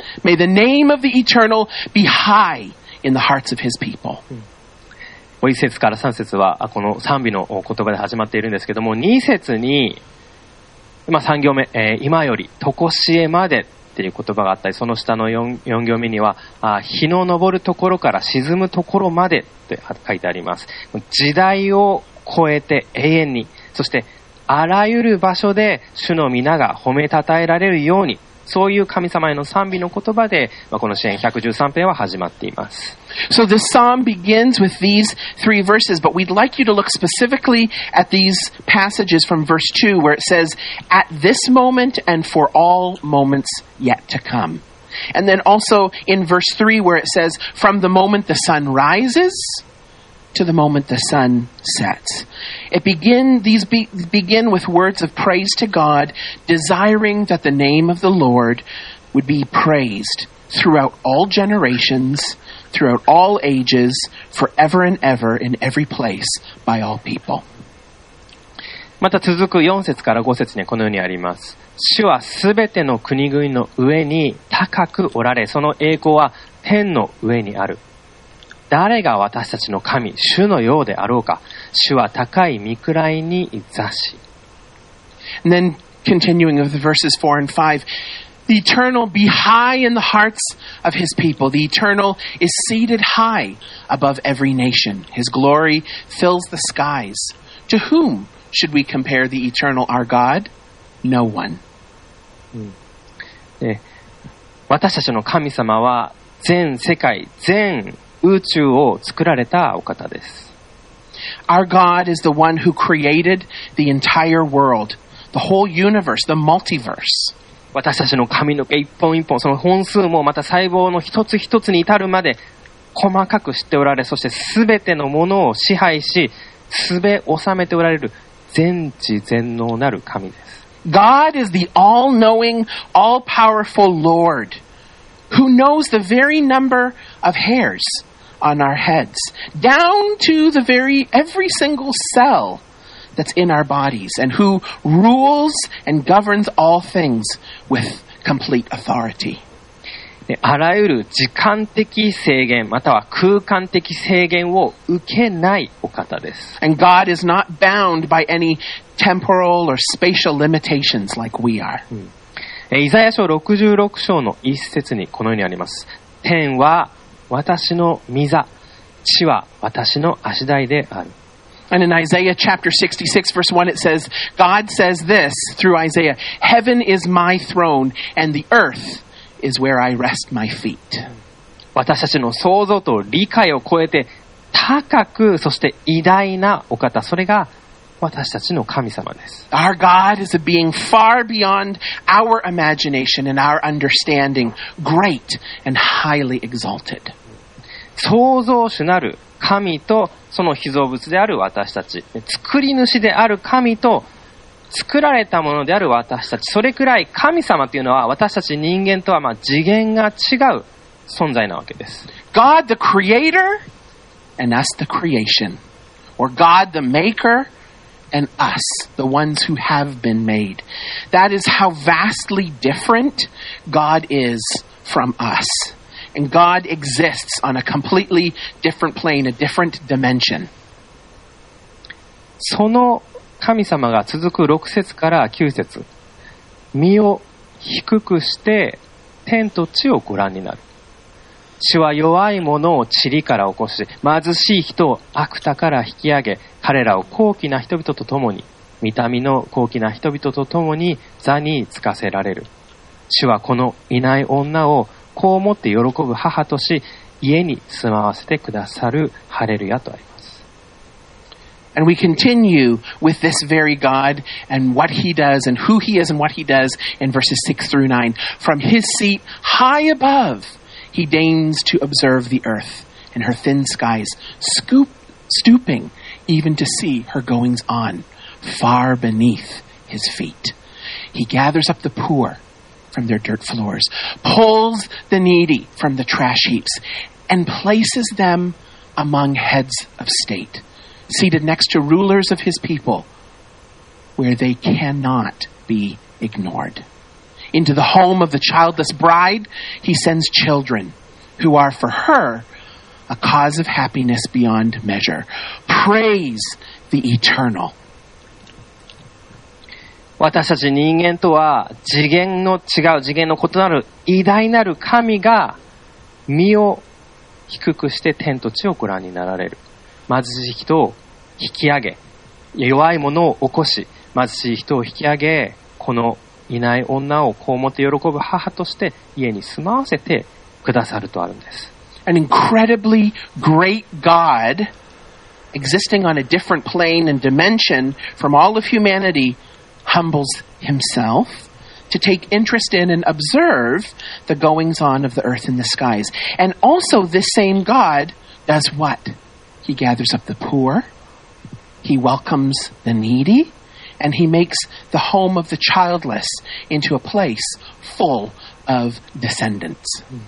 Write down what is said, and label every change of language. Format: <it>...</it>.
<en>May the name of the Eternal be high. In the hearts of his people.</en> <ja>1節から3節はこの賛美の言葉で始まっているんですけども、2節に、まあ、3行目、今よりとこしえまでっていう言葉があったり、その下の 4行目には日の昇るところから沈むところまでって書いてあります。時代を超えて永遠に、そしてあらゆる場所で主の皆が褒めたたえられるように、そういう神様への賛美の言葉で、まあ、この詩編113編は始まっています。</ja> <en>So this psalm begins with these three verses, but we'd like you to look specifically at these passages from verse 2, where it says, at this moment and for all moments yet to come. And then also in verse 3, where it says, from the moment the sun rises to the moment the sun sets. These begin with words of praise to God, desiring that the name of the Lord would be praised throughout all generations, throughout all ages, forever and ever, in every place, by all people.</en> <ja>また続く4節から5節にこのようにあります。主はすべての国々の上に高くおられ、その栄光は天の上にある。誰が私たちの神、主のようであろうか。主は高い御位に座し。</ja> <en>And then continuing with verses 4 and 5, the Eternal be high in the hearts of His people. The Eternal is seated high above every nation. His glory fills the skies. To whom should we compare the Eternal, our God? No one.</en> <ja>私たちの神様は全世界、全宇宙を作られたお方です。</ja> <en>Our God is the one who created the entire world, the whole universe, the multiverse.</en> <ja>私たちの髪の毛一本一本、その本数もまた細胞の一つ一つに至るまで細かく知っておられ、そして全てのものを支配し、すべ収めておられる全知全能なる神です。</ja> <en>God is the all-knowing, all-powerful Lord. Who knows the very number of hairs on our heads, down to the very every single cell that's in our bodies, and who rules and governs all things with complete authority.</en> <ja>あらゆる時間的制限または空間的制限を受けないお方です。</ja> <en>And God is not bound by any temporal or spatial limitations like we are.</en> <ja>イザヤ書66章の一節にこのようにあります。天は私の御座、地は私の足台である。</ja> <en>And in Isaiah chapter 66 verse 1 it says, God says this through Isaiah, heaven is my throne and the earth is where I rest my feet.</en> <ja>私たちの想像と理解を超えて高くそして偉大なお方、それが私たちの神様です。</ja> <en>Our God is a being far beyond our imagination and our understanding, great and highly exalted.</en> <ja>創造主なる神とその被造物である私たち、作り主である神と作られたものである私たち、それくらい神様というのは私たち人間とはまあ次元が違う存在なわけです。</ja> <en>God the creator and us the creation, or God the maker. And us, the ones who have been made. That is how vastly different God is from us. And God exists on a completely different plane, a different dimension.</en> <ja>その神様が続く6節から9節、身を低くして天と地をご覧になる。主は弱い者を塵から起こし、貧しい人を悪田から引き上げ、彼らを高貴な人々と共に、御民の高貴な人々と共に座に着かせられる。主はこのいない女を子を持って喜ぶ母とし、家に住まわせてくださる。ハレルヤとあります。</ja> <en>And we continue with this very God and what he does and who he is and what he does in verses 6 through 9. From his seat high above, he deigns to observe the earth and her thin skies, stooping even to see her goings on far beneath his feet. He gathers up the poor from their dirt floors, pulls the needy from the trash heaps, and places them among heads of state, seated next to rulers of his people, where they cannot be ignored. Into the home of the childless bride, he sends children who are for her a cause of happiness beyond measure. Praise the Eternal.</en> <ja>私たち人間とは次元の違う、次元の異なる偉大なる神が身を低くして天と地をご覧になられる。貧しい人を引き上げ、弱いものを起こし、貧しい人を引き上げ、このいない女を子を持って喜ぶ母として家に住まわせてくださるとあるんです。</ja> <en>An incredibly great God existing on a different plane and dimension from all of humanity humbles himself to take interest in and observe the goings on of the earth and the skies. And also this same God does what? He gathers up the poor, he welcomes the needy, and he makes the home of the childless into a place full of descendants.</en>